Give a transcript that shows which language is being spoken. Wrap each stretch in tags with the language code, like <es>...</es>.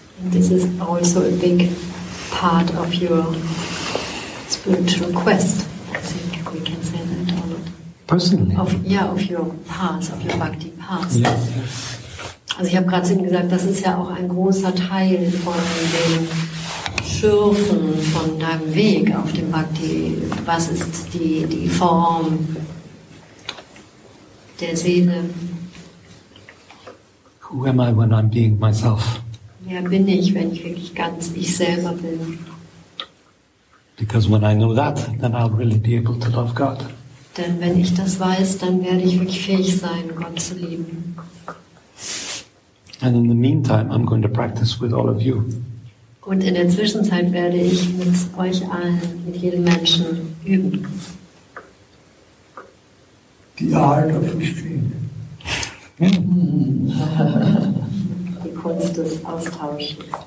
<en>This is also a big part of your spiritual quest. I think we can say that or not. Personally? Of your path, of your bhakti path. Yeah.</en> <de>Also ich habe gerade eben gesagt, das ist ja auch ein großer Teil von dem Schürfen von deinem Weg auf dem Bhakti. Was ist die Form der Seele?</de> <en>Who am I when I'm being myself?</en> <de>Wer bin ich, wenn ich wirklich ganz ich selber bin?</de> <en>Because when I know that, then I'll really be able to love God.</en> <de>Denn wenn ich das weiß, dann werde ich wirklich fähig sein, Gott zu lieben.</de> <en>And in the meantime, I'm going to practice with all of you.</en> <de>Und in der Zwischenzeit werde ich mit euch allen, mit jedem Menschen üben.</de> <en>The art of exchange.</en> <de>Die Kunst des Austauschens.</de>